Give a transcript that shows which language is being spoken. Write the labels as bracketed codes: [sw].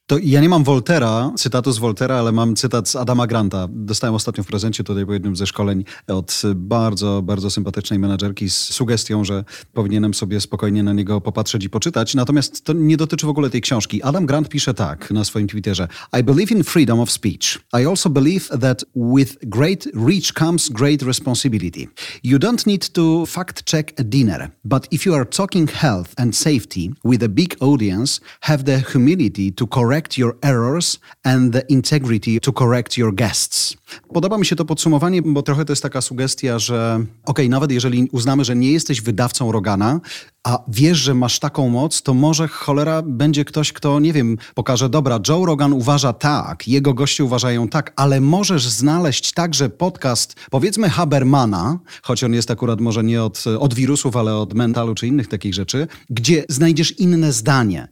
[pl] To ja nie mam Voltaire'a, cytatu z Voltaire'a, ale mam cytat z Adama Granta. Dostałem ostatnio w prezencie tutaj po jednym ze szkoleń od bardzo, bardzo sympatycznej menadżerki z sugestią, że powinienem sobie spokojnie na niego popatrzeć i poczytać, natomiast to nie dotyczy w ogóle tej książki. Adam Grant pisze tak na swoim Twitterze. [en] I believe in freedom of speech. I also believe that with great reach comes great responsibility. You don't need to fact check a dinner, but if you are talking health and safety with a big audience, have the humility to correct your errors and the integrity to correct your guests. [pl] Podoba mi się to podsumowanie, bo trochę to jest taka sugestia, że okej, nawet jeżeli uznamy, że nie jesteś wydawcą Rogana, a wiesz, że masz taką moc, to może cholera będzie ktoś, kto, nie wiem, pokaże, dobra, Joe Rogan uważa tak, jego goście uważają tak, ale możesz znaleźć także podcast, powiedzmy Habermana, choć on jest akurat może nie od wirusów, ale od mentalu czy innych takich rzeczy, gdzie znajdziesz inne zdanie.